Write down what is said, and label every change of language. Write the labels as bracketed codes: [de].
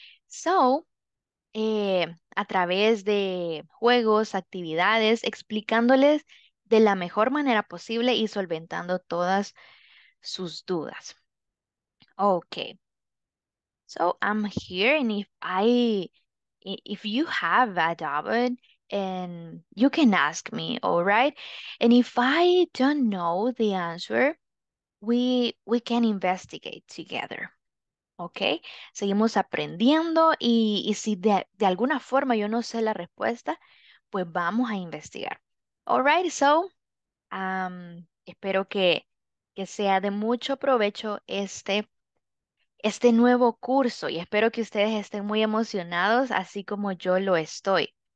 [es] So, a través de juegos, actividades, explicándoles de la mejor manera posible y solventando todas sus dudas. [en] Okay. So, I'm here, and if you have a doubt, and you can ask me, all right? And if I don't know the answer, we can investigate together, okay? [es] Seguimos aprendiendo, y si de alguna forma yo no sé la respuesta, pues vamos a investigar. [en] All right, so [es] espero que sea de mucho provecho este nuevo curso, y espero que ustedes estén muy emocionados, así como yo lo estoy.